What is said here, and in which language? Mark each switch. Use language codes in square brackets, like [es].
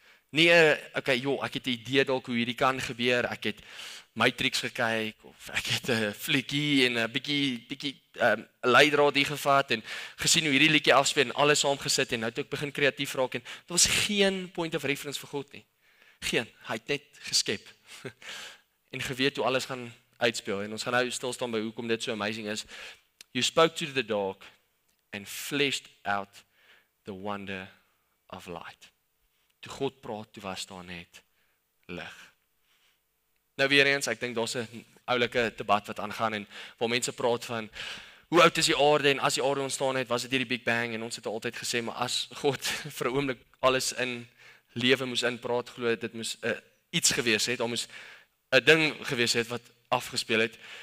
[af] Nie, okay, joh, ek het 'n idee dalk hoe hierdie kan gebeur, ek het Matrix gekyk, of ek het 'n fliekie en 'n bietjie leidraad hier gevat, en gesien hoe hierdie liedjie afspeel, en alles saam gesit, en nou toe ek begin kreatief raak, en daar was geen [en] point of reference [af] vir God nie. Geen, hy het net geskep. En geweet hoe alles gaan uitspeel. En ons gaan nou stil staan by hoekom dit so amazing is. [en] You spoke to the dark and fleshed out the wonder of light. [af] Toe God praat, toe was daar net lig. Nou weer eens, ek dink daar's 'n oulike debat wat aangaan en waar mense praat van hoe oud is die aarde en as die aarde ontstaan het, was dit hier die Big Bang en ons het altyd gesê maar as God vir 'n oomblik alles in lewe moes inpraat, glo dit moes iets gewees het, almoes 'n ding gewees het wat afgespeel het.